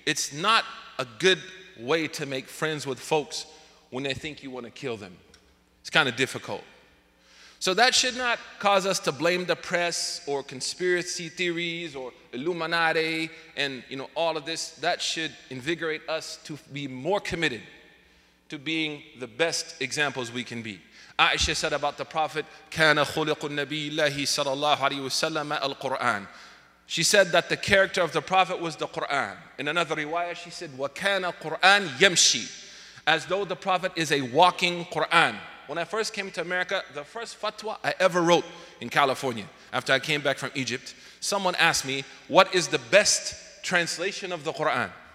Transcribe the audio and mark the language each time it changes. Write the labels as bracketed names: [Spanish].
[English] It's not a good way to make friends with folks when they think you want to kill them. It's kind of difficult. So that should not cause us to blame the press or conspiracy theories or Illuminati and, you know, all of this. That should invigorate us to be more committed to being the best examples we can be. Aisha said about the Prophet, [Arabic] كَانَ خُلِقُ النَّبِيِّ اللَّهِ صَلَى اللَّهُ عَلَيْهِ وَسَلَّمَ الْقُرْآنِ. [English] She said that the character of the Prophet was the Qur'an. In another riwayah, she said, [Arabic] وَكَانَ قُرْآنَ يَمْشِي. [English] As though the Prophet is a walking Qur'an. When I first came to America, the first fatwa I ever wrote in California, after I came back from Egypt, someone asked me, what is the best translation of the Qur'an?